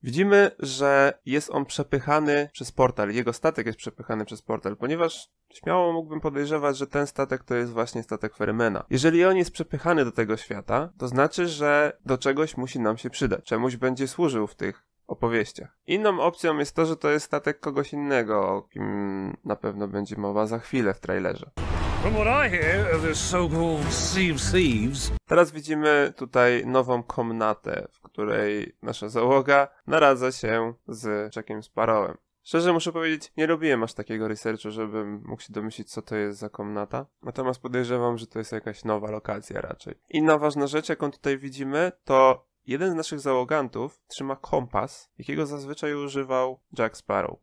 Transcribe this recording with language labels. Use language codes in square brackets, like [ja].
[pl] Widzimy, że jest on przepychany przez portal, jego statek jest przepychany przez portal, ponieważ śmiało mógłbym podejrzewać, że ten statek to jest właśnie statek Ferrymana. Jeżeli on jest przepychany do tego świata, to znaczy, że do czegoś musi nam się przydać, czemuś będzie służył w tych opowieściach. Inną opcją jest to, że to jest statek kogoś innego, o kim na pewno będzie mowa za chwilę w trailerze. [en] From what I hear of the so-called Sea of Thieves. [pl] Teraz widzimy tutaj nową komnatę, w której nasza załoga naradza się z Jackiem Sparrowem. Szczerze muszę powiedzieć, nie robiłem aż takiego researchu, żebym mógł się domyślić, co to jest za komnata. Natomiast podejrzewam, że to jest jakaś nowa lokacja raczej. Inna ważna rzecz, jaką tutaj widzimy, to jeden z naszych załogantów trzyma kompas, jakiego zazwyczaj używał Jack Sparrow.